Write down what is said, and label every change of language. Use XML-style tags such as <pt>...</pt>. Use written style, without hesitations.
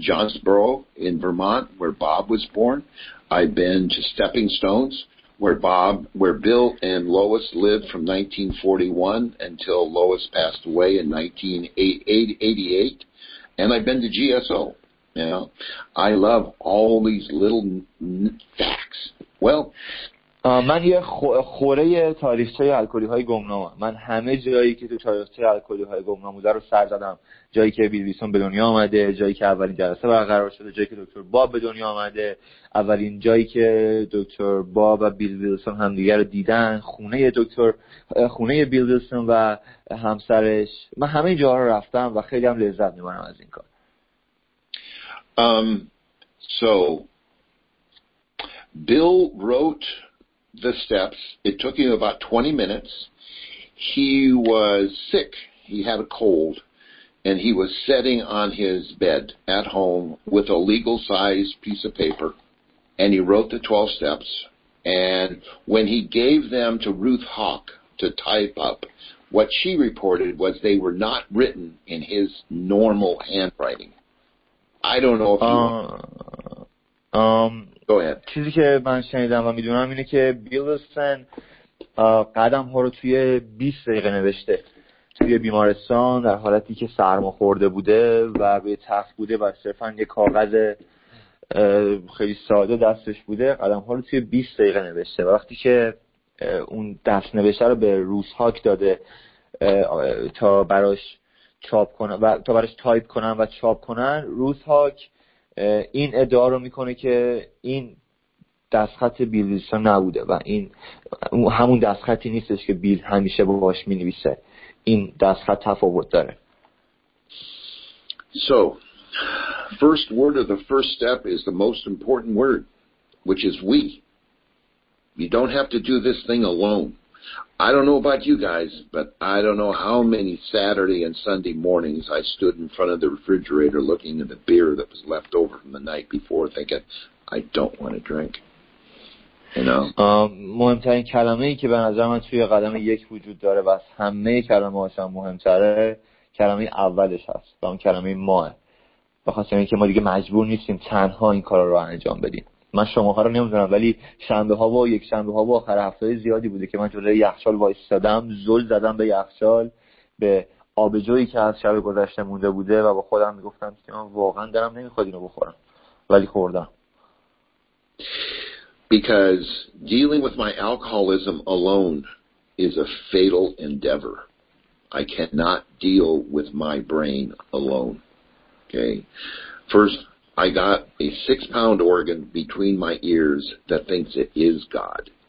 <en>Johnsboro in Vermont, where Bob was born. I've been to Stepping Stones, where Bill and Lois lived from 1941 until Lois passed away in 1988, and I've been to GSO. You know, I love all these little facts. Well,</en> <fa>من یه خوره تاریخچه الکلی های گمنام. من همه جایی که تو تاریخچه الکلی های گمنام بوده رو سر زدم. جایی که بیل ویسون به دنیا آمده، جایی که اولین جلسه برقرار شده، جایی که دکتر باب به دنیا آمده، اولین جایی که دکتر باب و بیل ویلسون هم دیگر دیدن، خونه بیل ویلسون و همسرش. من همه جاها رو رفتم و خیلی هم لذت میبرم از این کار.</fa> <en>So Bill wrote the steps. It took him about 20 minutes. He was sick. He had a cold. And he was sitting on his bed at home with a legal-sized piece of paper, and he wrote the 12 steps. And when he gave them to Ruth Hawk to type up, what she reported was they were not written in his normal handwriting. I don't know if you... Go ahead.</en> <fa>چیزی که من شنیدم و میدونم اینه که بیل ویلسون قدم ها رو توی 20 دقیقه نوشته توی بیمارستان در حالتی که سرما خورده بوده و به تخت بوده و صرفا یه کاغذ خیلی ساده دستش بوده، قدم ها رو توی 20 دقیقه نوشته. وقتی که اون دست نوشته رو به روس هاک داده تا براش چاپ کنن و تا براش تایپ کنن و چاپ کنن، روس هاک این ادعا رو میکنه که این دستخط بیل ویلسون نبوده و این همون دستخطی نیستش که بیل همیشه باهاش مینویسه. این دستخط تفاوت داره.</fa> <en>So, first word of the first step is the most important word, which is we. You don't have to do this thing alone. I don't know about you guys, but I don't know how many Saturday and Sunday mornings I stood in front of the refrigerator looking at the beer that was left over from the night before thinking, I don't want to drink.</en> <fa>مهمترین کلمه ای که به نظر من توی قدم یک وجود داره و از همه کلمه هاشم مهمتره کلمه اولش هست و اون کلمه ماه بخواستم این که ما دیگه مجبور نیستیم تنها این کار رو انجام بدیم. من شماها رو نمیدونم ولی شنبه ها و یک شنبه ها و آخر هفته های زیادی بوده که من جلوی یخچال وایستادم زل زدم به یخچال به آبجویی که از شب گذشته مونده بوده و با خودم میگفتم که من واقعا دارم نمیخواد اینو بخورم ولی خوردم.</fa> <en>Because dealing with my alcoholism alone is a fatal endeavor. I cannot deal with my brain alone. Okay. First, I got a 6-pound organ between my ears that thinks it is God.</en>